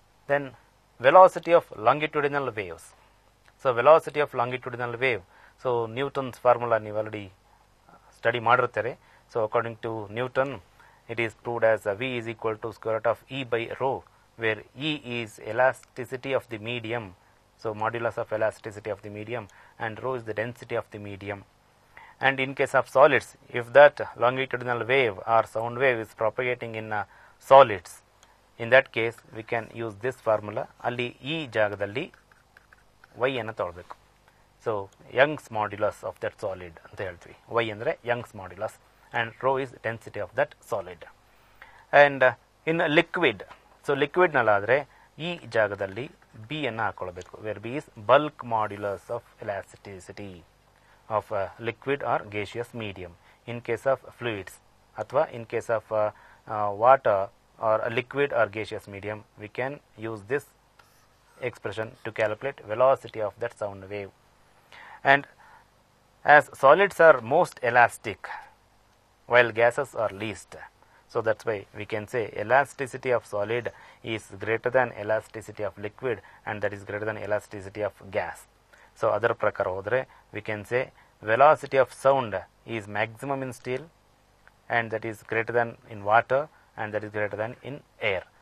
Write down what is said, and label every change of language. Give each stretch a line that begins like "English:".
English: Then velocity of longitudinal waves. So velocity of longitudinal wave, so Newton's formula
Kannada: ನೀವು already study ಮಾಡಿರ್ತಾರೆ.
English: So according to Newton it is proved as V is equal to square root of E by rho, where E is elasticity of the medium. So, modulus of elasticity of the medium and rho is the density of the medium. And in case of solids, if that longitudinal wave or sound wave is propagating in solids, in that case, we can use this formula.
Kannada: Alli E jagadalli Y anna thodabeku.
English: So, Young's modulus of that solid
Kannada: anta helthvi.
English: Y andre Young's modulus and rho is density of that solid. And in a liquid, so liquid
Kannada: naladre E jagadalli B ಅನ್ನು ಹಾಕೊಳ್ಬೇಕು,
English: Where B is bulk modulus of elasticity of liquid or gaseous medium. In case of fluids ಅಥವಾ in case of water or liquid or gaseous medium, we can use this expression to calculate velocity of that sound wave. And as solids are most elastic while gases are least, So that's why we can say elasticity of solid is greater than elasticity of liquid, and that is greater than elasticity of gas. So other
Kannada: prakar hodre,
English: we can say velocity of sound is maximum in steel, and that is greater than in water, and that is greater than in air.